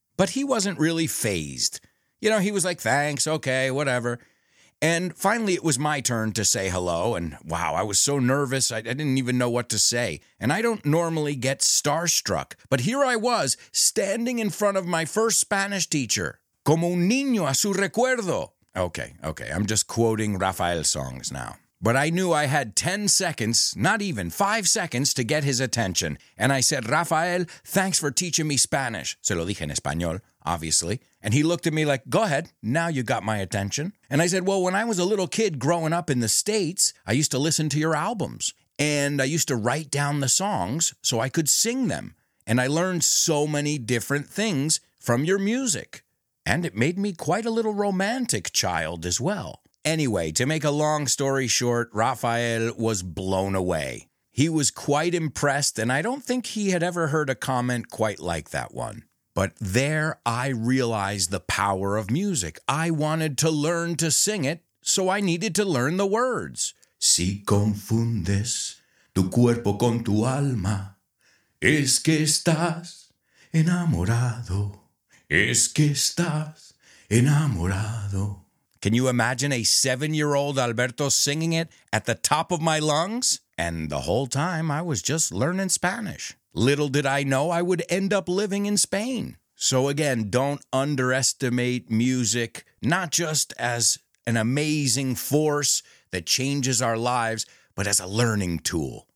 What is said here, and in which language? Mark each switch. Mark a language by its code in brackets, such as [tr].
[en] But he wasn't really fazed. You know, he was like, "Thanks, okay, whatever." And finally, it was my turn to say hello, and wow, I was so nervous, I didn't even know what to say. And I don't normally get starstruck, but here I was, standing in front of my first Spanish teacher. [es] Como un niño a su recuerdo. [en] Okay, I'm just quoting Rafael songs now. But I knew I had 10 seconds, not even 5 seconds, to get his attention. And I said, "Rafael, thanks for teaching me Spanish." [es] Se lo dije en español, [en] obviously. And he looked at me like, "Go ahead, now you got my attention." And I said, "Well, when I was a little kid growing up in the States, I used to listen to your albums. And I used to write down the songs so I could sing them. And I learned so many different things from your music. And it made me quite a little romantic child as well." Anyway, to make a long story short, Rafael was blown away. He was quite impressed, and I don't think he had ever heard a comment quite like that one. But there I realized the power of music. I wanted to learn to sing it, so I needed to learn the words. [es] Si confundes tu cuerpo con tu alma, es que estás enamorado. Es que estás enamorado. [en] Can you imagine a 7-year-old Alberto singing it at the top of my lungs? And the whole time I was just learning Spanish. Little did I know I would end up living in Spain. So again, don't underestimate music, not just as an amazing force that changes our lives, but as a learning tool.